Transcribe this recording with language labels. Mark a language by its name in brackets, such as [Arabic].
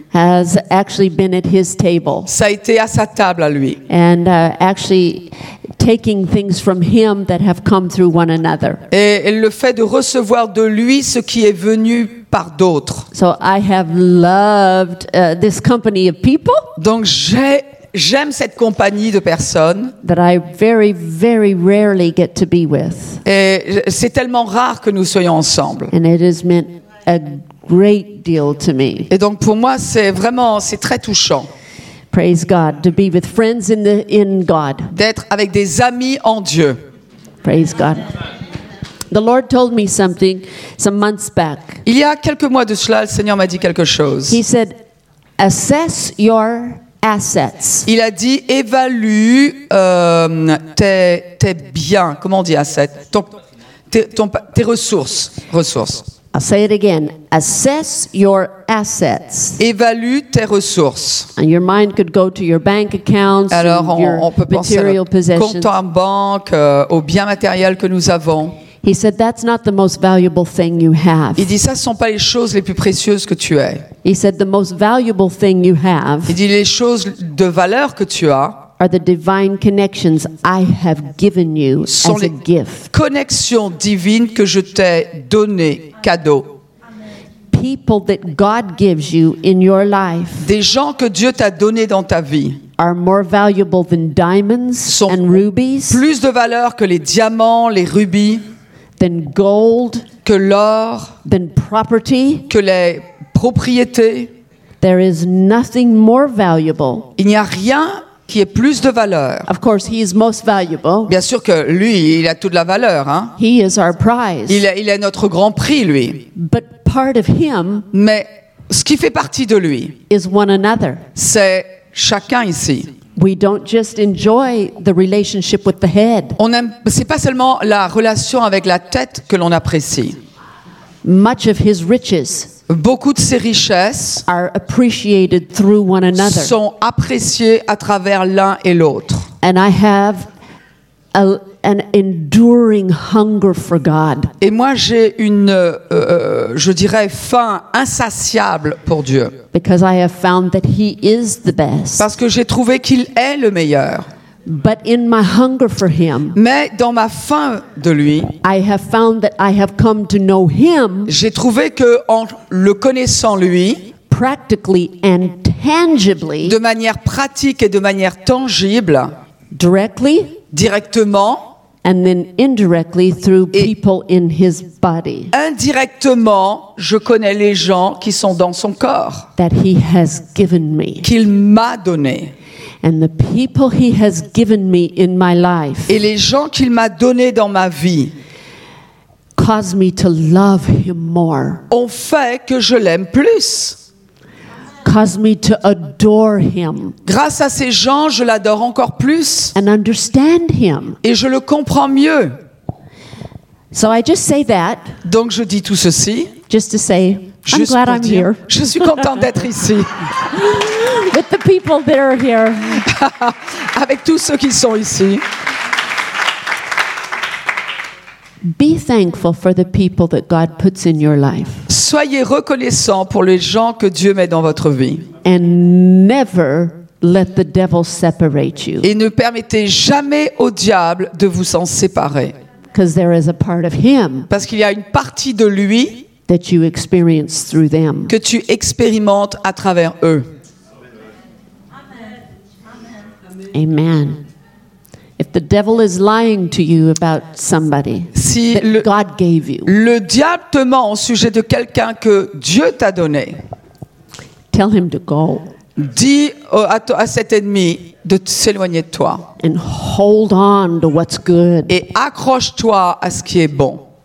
[English] has actually been at his table. [French] Ça a été à sa table à lui. [English] And actually taking things from him that have come through one another. [French] Et le fait de recevoir de lui ce qui est venu par d'autres. [English] So I have loved this company of people. [French] Donc j'aime cette compagnie de personnes. [English] That I very, very rarely get to be with. [French] Et c'est tellement rare que nous soyons ensemble. [English] And it has meant a great deal to me. [French] Et donc pour moi, c'est très touchant. [English] Praise God to be with friends in God. [French] D'être avec des amis en Dieu. [English] Praise God. The Lord told me something some months back. [French] Il y a quelques mois de cela, le Seigneur m'a dit quelque chose. [English] He said, assess your assets. [French] Il a dit évalue tes biens, comment on dit assets, tes ressources. [English] I'll say it again. Assess your assets. [French] Évalue tes ressources. [English] And your mind could go to your bank accounts. [French] Alors on peut penser à nos comptes en banque, aux biens matériels que nous avons. [English] He said that's not the most valuable thing you have. [French] Il dit ça sont pas les choses les plus précieuses que tu aies. [English] He said the most valuable thing you have. [French] Il dit les choses de valeur que tu as. [English] Are the divine connections I have given you as a gift. [French] Sont les connexions divines que je t'ai données, cadeau. [English] People that God gives you in your life. [French] Des gens que Dieu t'a donné dans ta vie. [English] Are more valuable than diamonds and rubies. [French] Plus de valeur que les diamants, les rubis. [English] Than gold, [French] que l'or, [English] than property, [French] que les propriétés. [English] There is nothing more valuable. [French] Il n'y a rien qui ait plus de valeur. [English] Of course, he is most valuable. [French] Bien sûr que lui, il a toute la valeur, hein. [English] He is our prize. [French] Il est notre grand prix, lui. [English] But part of him. [French] Mais ce qui fait partie de lui. [English] Is one another. [French] C'est chacun ici. [English] We don't just enjoy the relationship with the head. [French] C'est pas seulement la relation avec la tête que l'on apprécie. [English] Much of his riches. [French] Beaucoup de ses richesses [English] are appreciated through one another. [French] Sont appréciées à travers l'un et l'autre. [English] And I have an enduring hunger for God. [French] Et moi j'ai une je dirais faim insatiable pour Dieu. [English] Because I have found that he is the best. [French] Parce que j'ai trouvé qu'il est le meilleur. [English] But in my hunger for him. [French] Mais dans ma faim de lui. [English] I have found that I have come to know him. [French] J'ai trouvé que en le connaissant lui. [English] Practically and tangibly. [French] De manière pratique et de manière tangible. [English] Directly. [French] Directement. [English] And then indirectly through people in his body. [French] Indirectement, je connais les gens qui sont dans son corps. [English] That he has given me. [French] Qu'il m'a donné. [English] And the people he has given me in my life. [French] Et les gens qu'il m'a donné dans ma vie. [English] Cause me to love him more. [French] Ont fait que je l'aime plus. [English] caused me to adore him. [French] Grâce à ces gens, je l'adore encore plus. [English] And understand him. [French] Et je le comprends mieux. [English] So I just say that. [French] Donc je dis tout ceci. [English] Just to say, [French] juste [English] I'm glad [French] dire, [English] I'm here. [French] Je suis content d'être ici. [English] With the people that are here. [French] Avec tous ceux qui sont ici. [English] Be thankful for the people that God puts in your life. [French] Soyez reconnaissant pour les gens que Dieu met dans votre vie. [English] And never let the devil separate you. [French] Et ne permettez jamais au diable de vous en séparer. [English] Because there is a part of him. [French] Parce qu'il y a une partie de lui [English] that you experience through them. [French] Que tu expérimentes à travers eux. [English] Amen. Amen. If the devil is lying to you about somebody [French] si [English] that [French] le, [English] God gave you, [French] le diable te ment au sujet de quelqu'un que Dieu t'a donné, [English] tell him to go. [French] Dis à cet ennemi de s'éloigner de toi. [English] And hold on to what's good. [French] Et accroche-toi à ce qui est bon.